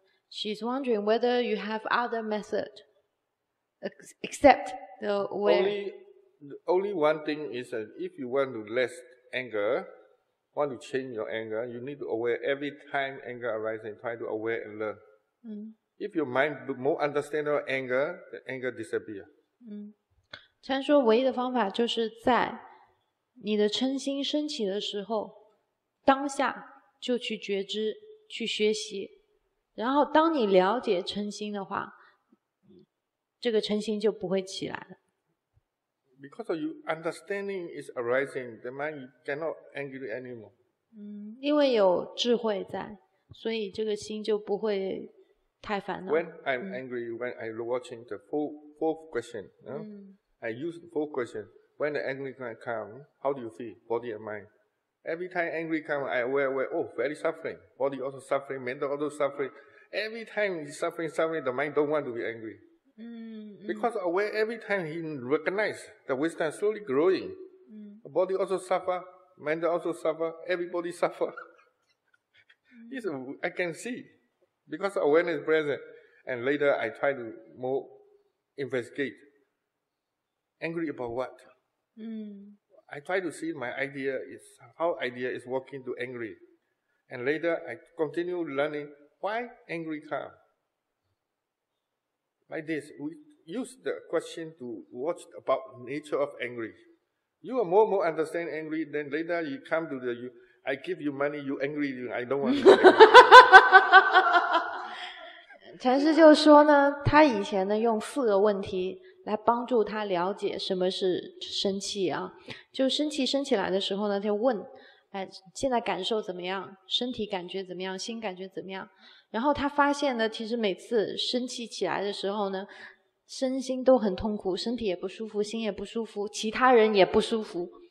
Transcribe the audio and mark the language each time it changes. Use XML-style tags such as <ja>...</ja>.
<en>She's wondering whether you have other method except the aware. Only one thing is that if you want to less anger, want to change your anger, you need to aware every time anger arises, try to aware and learn. If your mind more understand your anger, the anger disappear.</en> <zh>禅说唯一的方法就是在你的嗔心升起的时候，当下就去觉知，去学习，然后当你了解嗔心的话，这个嗔心就不会起来了。</zh> <en>Because your understanding is arising, the mind cannot angry anymore.</en> <zh>因为有智慧在，所以这个心就不会太烦恼。</zh> <en>When I'm angry, when I'm watching the fourth question, I use four questions. When the angry come, how do you feel, body and mind? Every time angry come, I aware, oh, very suffering. Body also suffering, mental also suffering. Every time suffering, the mind don't want to be angry. Because aware every time he recognize the wisdom slowly growing. Body also suffer, mental also suffer, everybody suffer. I can see. Because awareness is present. And later I try to more investigate. Angry about what? I try to see my idea is, how idea is working to angry. And later, I continue learning why angry come. Like this, we use the question to watch about nature of angry. You are more understand angry, then later you come to the I give you money, you angry, I don't want to pay.</en> <zh>禅师就说呢，他以前呢用四个问题来帮助他了解什么是生气啊。就生气生起来的时候呢，就问，哎，现在感受怎么样？身体感觉怎么样？心感觉怎么样？然后他发现呢，其实每次生气起来的时候呢，身心都很痛苦，身体也不舒服，心也不舒服，其他人也不舒服。</zh>